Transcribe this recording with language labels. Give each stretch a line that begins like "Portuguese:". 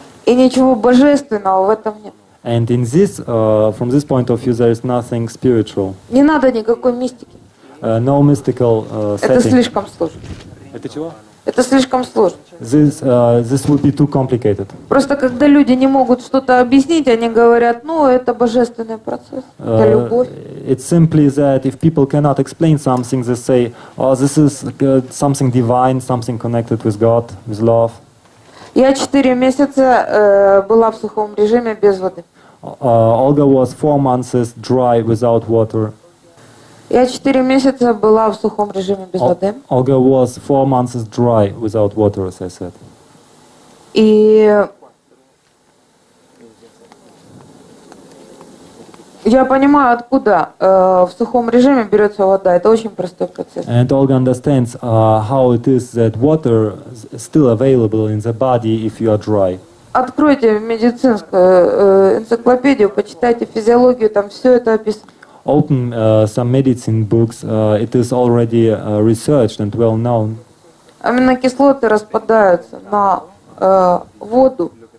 Russian: И ничего божественного в этом нет.
English: And in this, from this point of view, there is nothing spiritual.
Russian: Не надо никакой мистики.
English: No mystical setting.
Russian: Это слишком сложно. Это чего? Это слишком сложно.
English: This would be too complicated.
Russian: Просто когда люди не могут что-то объяснить, они говорят, ну, это божественный процесс, это любовь.
English: It's simply that if people cannot explain something, they say, oh, this is something divine, something connected with God, with love.
Russian: Я 4 месяца была в сухом режиме без воды.
English: Olga was 4 months dry without water.
Russian: Я 4 месяца была в сухом режиме без воды.
English: Olga was 4 months dry without water, as I said.
Russian: И я понимаю, откуда в сухом режиме берется вода. Это очень простой процесс.
English: And Olga understands how it is that water is still available in the body if you are dry.
Russian: Откройте медицинскую энциклопедию, почитайте физиологию, там все это описано.
English: Open some medicine books. It is already researched and well known.
Russian: Аминокислоты распадаются на воду.